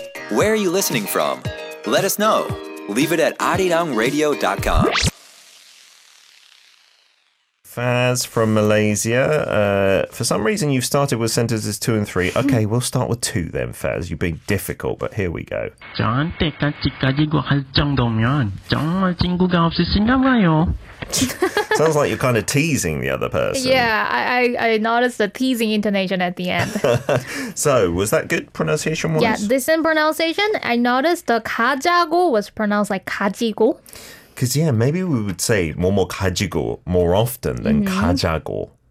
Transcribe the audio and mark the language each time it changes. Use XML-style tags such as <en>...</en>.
<en>Where are you listening from? Let us know. Leave it at arirangradio.com. Faz from Malaysia, for some reason you've started with sentences 2 and 3. Okay, we'll start with 2 then, Faz. You've been difficult, but here we go.</en> <ko>저한테 같이 가지고 할 정도면 정말 친구가 없으신가 봐요.</ko> <en>Sounds like you're kind of teasing the other person. Yeah, I noticed the teasing intonation at the end. So, was that good pronunciation wise? Yeah, decent pronunciation. I noticed the 가자고 was pronounced like 가지고. Because, yeah, maybe we would say</en> <ko>뭐뭐 가지고</ko> <en>more often than 가자고.</en>